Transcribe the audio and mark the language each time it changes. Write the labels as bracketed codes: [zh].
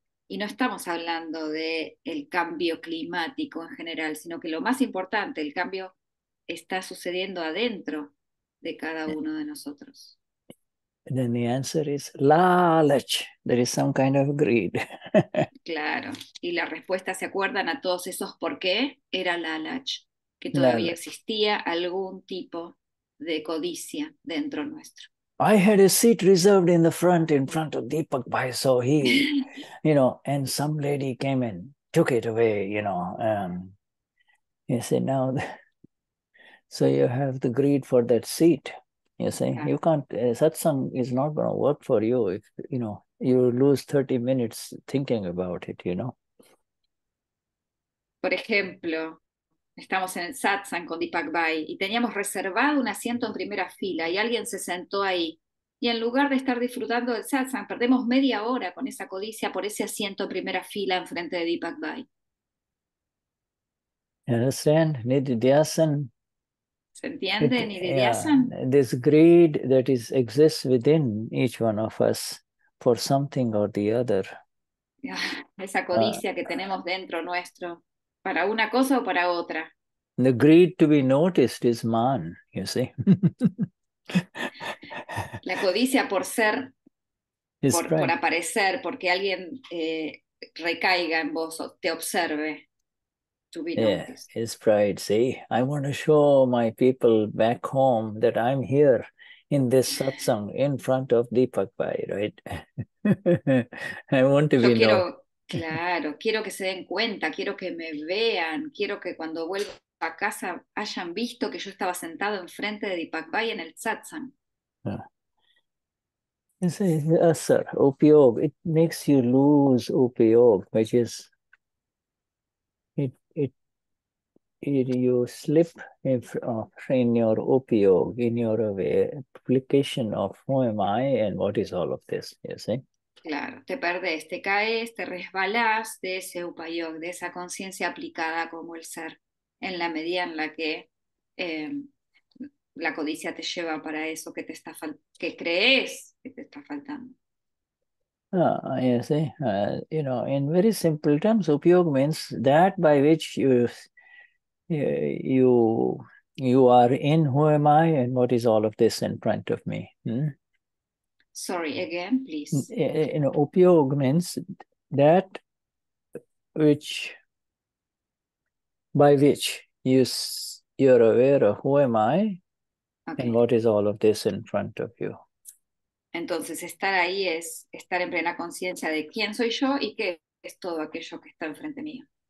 [es] Y no estamos hablando del cambio climático en general, sino que lo más importante, el cambio está sucediendo adentro de cada uno de nosotros. [en] And then the answer is lalach. There is some kind of greed. [es] Claro. Y la respuesta, ¿se acuerdan a todos esos por qué? Era lalach. Que todavía existía algún tipo de codicia dentro nuestro. [en] I had a seat reserved in front of Deepak Bhai, so he, you know, and some lady came and took it away, you know. You see, now, so you have the greed for that seat. You see, you can't, satsang is not going to work for you if, you know, you lose 30 minutes thinking about it, you know. [es] Por ejemplo, estamos en el satsang con Deepak Bhai y teníamos reservado un asiento en primera fila y alguien se sentó ahí. Y en lugar de estar disfrutando del satsang, perdemos media hora con esa codicia por ese asiento en primera fila en frente de Deepak Bhai. [en] Understand? Nididhyasan. [es] ¿Se entiende, nididhyasan? [en] Yeah, this greed that is exists within each one of us for something or the other. [es] Esa codicia que tenemos dentro nuestro, para una cosa o para otra. [en] The greed to be noticed is man, you see. [es] La codicia por ser, por aparecer, porque alguien recaiga en vos o te observe. [en] To be noticed. Yeah, it's pride. See, I want to show my people back home that I'm here. in this satsang in front of Deepak Bhai, right? I want to be known. [es] Claro, quiero que se den cuenta, quiero que me vean, quiero que cuando vuelva a casa hayan visto que yo estaba sentado enfrente de Deepak Bhai en el satsang. [en] Sir, upyog, it makes you lose upyog, which is it you slip in your upyog, in your application of who am I and what is all of this, you see? [es] Claro, te perdés, te caes, te resbalás de ese upayog, de esa conciencia aplicada como el ser, en la medida en la que la codicia te lleva para eso que te está que crees que te está faltando. [en] In very simple terms, upyog means that by which you are in who am I and what is all of this in front of me. Sorry, again, please. Upyog means that which, by which you're aware of who am I, okay, and what is all of this in front of you. [es] Entonces, estar ahí es estar en plena conciencia de quién soy yo y qué es todo aquello que está enfrente mío.